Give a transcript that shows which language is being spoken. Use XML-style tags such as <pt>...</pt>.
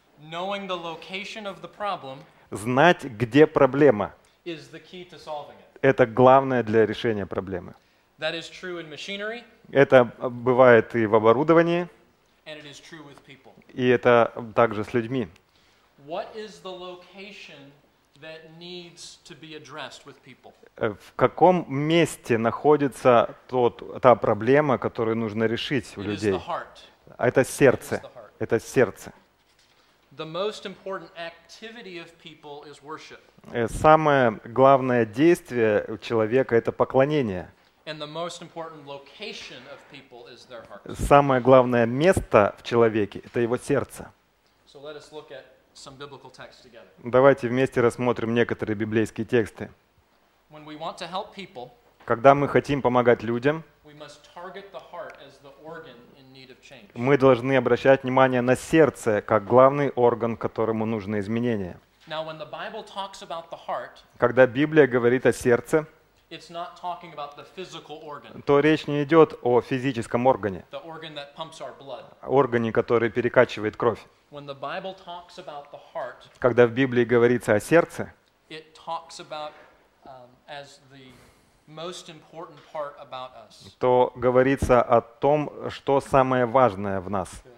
<en>Knowing the location of the problem,</en> <ru>знать, где проблема,</ru> <en>is the key to solving it.</en> <ru>Это главное для решения проблемы.</ru> <en>That is true in machinery,</en> <ru>это бывает и в оборудовании,</ru> <en>and it is true with people.</en> <ru>И это также с людьми.</ru> <en>What is the location that needs to be addressed with people?</en> <ru>В каком месте находится та проблема, которую нужно решить у людей?</ru> <en>It is the heart.</en> <ru>Это сердце.</ru> <en>It is the heart.</en> <ru>Это сердце.</ru> <en>The most important activity of people is worship.</en> <ru>Самое главное действие у человека — это поклонение.</ru> <en>And the most important location of people is their heart.</en> <ru>Самое главное место в человеке — это его сердце.</ru> <en>So let us look at some biblical texts together.</en> <ru>Давайте вместе рассмотрим некоторые библейские тексты.</ru> <en>When we want to help people,</en> <ru>когда мы хотим помогать людям,</ru> <en>we must target the heart as the organ.</en> <ru>Мы должны обращать внимание на сердце как главный орган, которому нужны изменения.</ru> <en>Now, when the Bible talks about the heart,</en> <ru>когда Библия говорит о сердце,</ru> <en>it's not talking about the physical organ,</en> <ru>то речь не идет о физическом органе,</ru> <en>the organ that pumps our blood.</en> <ru>Органе, который перекачивает кровь.</ru> <en>When the Bible talks about the heart,</en> <ru>когда в Библии говорится о сердце,</ru> <en>it talks about, as the most important part about us.</en> <ru>То говорится о том, что самое важное в нас.</ru>